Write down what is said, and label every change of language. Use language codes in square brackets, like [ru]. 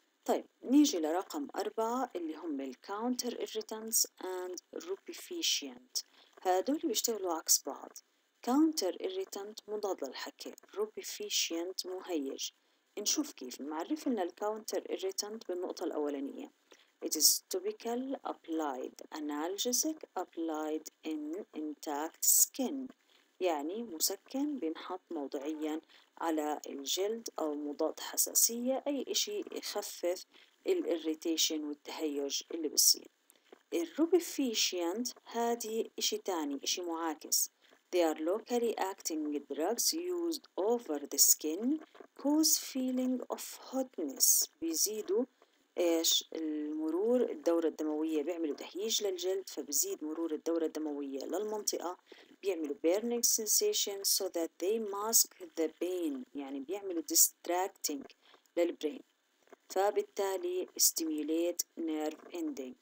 [ar] طيب نيجي لرقم 4 اللي هم الكاونتر إيرتانس and روبيفيشينت. هادول بيشتغلوا عكس بعض. كاونتر إيرتانت مضاد للحكي، روبيفيشينت مهيج. نشوف كيف معرف لنا الكاونتر إيرتانت بالنقطة الأولانية. [en] It is topical applied analgesic applied in intact skin. [ar] يعني مسكن بينحط موضعيا على الجلد أو مضاد حساسية، أي إشي يخفف الإريتيشن والتهيج اللي بيصير. الروبيفيشينت هادي إشي تاني، إشي معاكس. [en] They are locally acting drugs used over the skin cause feeling of hotness. [ar] بيزيدوا إيش المرور الدورة الدموية، بيعملوا تهيج للجلد فبزيد مرور الدورة الدموية للمنطقة، بيعملوا [en] burning sensation so that they mask the pain، [ar] يعني بيعملوا distracting للبرين، فبالتالي [en] stimulate nerve ending.